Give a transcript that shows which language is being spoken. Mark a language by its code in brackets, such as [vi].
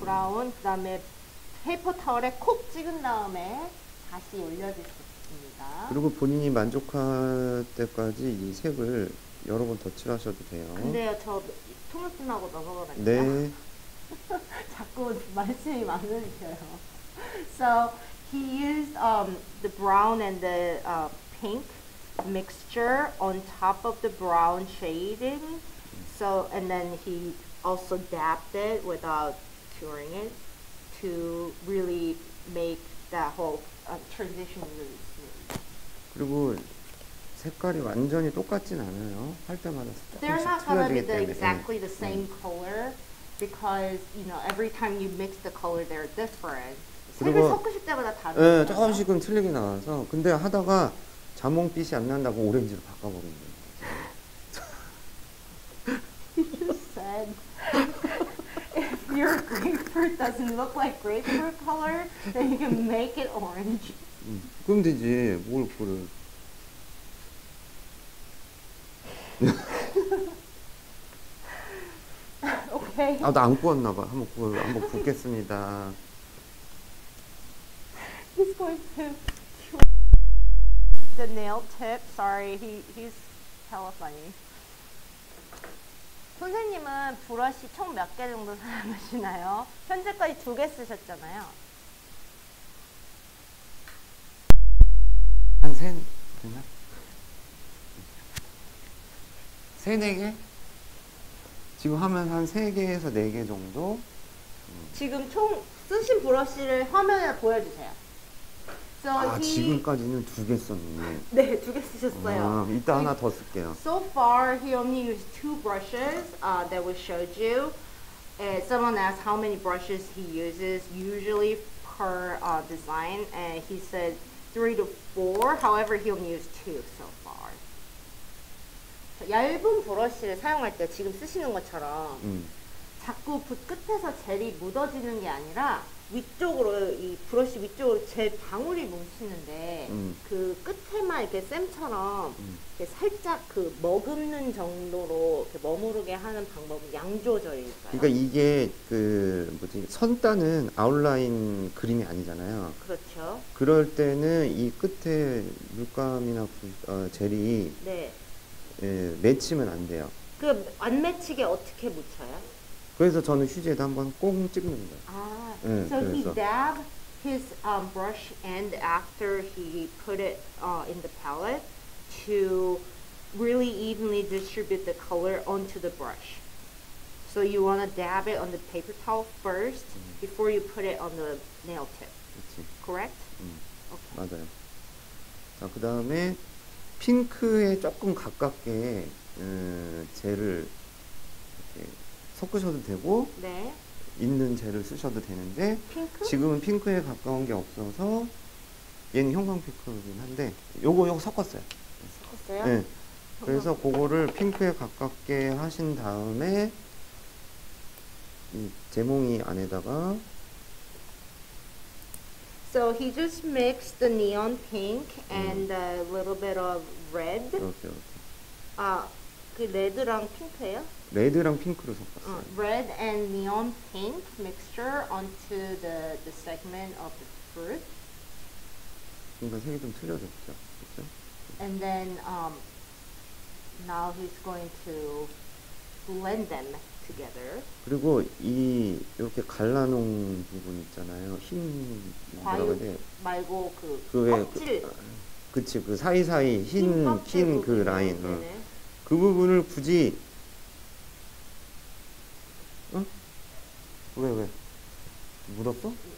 [ko] 브라운 그다음에 페이퍼 타월에 콕 찍은 다음에 다시 올려주세요. 그리고 본인이 만족할 때까지 이 색을 여러 번 더 칠하셔도 돼요. 근데요, 저 통화 끝나고 넘어가면 네. 자꾸 말씀이 많으세요. [en] So he used the brown and the pink mixture on top of the brown shading. So and then he also dabbed it without curing it to really make that whole transition really. [ko] 그리고 색깔이 완전히 똑같진 않아요. 할 때마다 [en] They're not going to be the exactly the same color because you know every time you mix the color they're different. [ko] 색을 섞으실 때마다 다르죠. 네, 조금씩은 틀리게 나와서 근데 하다가 자몽빛이 안 난다고 오렌지로 바꿔 버리는 거예요. [en] He just said if your grapefruit doesn't look like grapefruit color then you can make it orange. [ko] 그럼 되지. 뭘 그래. 오케이. 아, 나 안 구웠나 봐. 한번 굽겠습니다. [en] He's going to cure the nail tip. Sorry, he's hella funny. [ko] 선생님은 브러쉬 총몇개정도 사용하시나요? 현재까지 두개쓰셨잖아요. 한 3, 됐나? 3, 4개? 지금 하면 한 3개에서 4개 정도? 지금 총 쓰신 브러쉬를 화면에 보여주세요. So 아, 지금까지는 두 개 썼네. 네, 두 개 쓰셨어요. 아, 이따 하나 더 쓸게요. [en] So far, he only used two brushes that we showed you. And someone asked how many brushes he uses usually per design. And he said 3 to 4. However, he only used two so far. [ko] 얇은 브러쉬를 사용할 때 지금 쓰시는 것처럼 자꾸 끝에서 젤이 묻어지는 게 아니라 위쪽으로, 이 브러쉬 위쪽으로 젤 방울이 뭉치는데 그 끝에만 이렇게 샘처럼 이렇게 살짝 그 머금는 정도로 이렇게 머무르게 하는 방법은 양조절일까요? 그러니까 이게 그 뭐지, 선단은 아웃라인 그림이 아니잖아요. 그렇죠. 그럴 때는 이 끝에 물감이나 젤이 네. 예, 매치면 안 돼요. 그 안 매치게 어떻게 묻혀요? 그래서 저는 휴지에다 한번 꽁 찍는다. 아, 네, so 그래서. [en] He dab his brush end after he put it in the palette to really evenly distribute the color onto the brush. So you want to dab it on the paper towel first before you put it on the nail tip. [ko] 그치. [en] Correct? [ko] Okay. 맞아요. 자, 그 다음에 핑크에 조금 가깝게 젤을 이렇게 섞으셔도 되고 네. 있는 젤을 쓰셔도 되는데 핑크? 지금은 핑크에 가까운 게 없어서 얘는 형광핑크이긴 한데 요거 섞었어요. 섞었어요? 네. 그래서 그거를 핑크에 가깝게 하신 다음에 이 제몽이 안에다가 [en] So he just mixed the neon pink and a little bit of red. [ko] 이렇게, 이렇게. 아, 그 레드랑 핑크예요? 레드랑 핑크로 섞었어요. [en] Red and neon pink mixture onto the segment of the fruit. [ko] 뭔가 색이 좀 틀려졌죠, 그렇죠? [en] And then now he's going to blend them together. [ko] 그리고 이 이렇게 갈라놓은 부분 있잖아요. 흰 과육 말고 그 그게 껍질. 그치, 그 사이사이 흰 그 라인. 어. 그 부분을 굳이 왜? 묻었어?